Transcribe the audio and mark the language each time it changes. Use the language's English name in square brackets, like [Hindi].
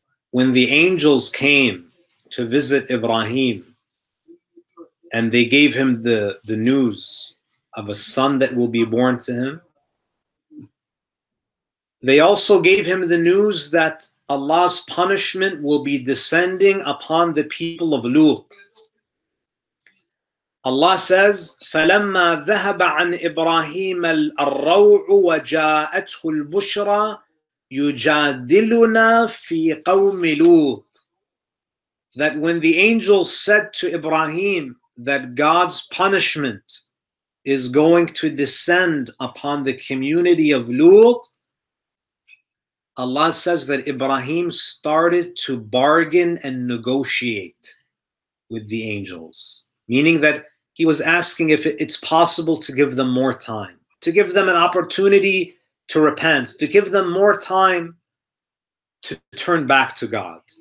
[English] When the angels came to visit Ibrahim and they gave him the news of a son that will be born to him, they also gave him the news that Allah's punishment will be descending upon the people of Lut. Allah says, [Arabic] فَلَمَّا ذَهَبَ عَنْ إِبْرَاهِيمَ الْرَّوْعُ وَجَاءَتْهُ الْبُشْرَى يُجَادِلُنَا فِي قَوْمِ لُوطٍ. [English] That when the angels said to Ibrahim that God's punishment is going to descend upon the community of Lut, Allah says that Ibrahim started to bargain and negotiate with the angels, meaning that he was asking if it's possible to give them more time, to give them an opportunity to repent, to give them more time to turn back to God.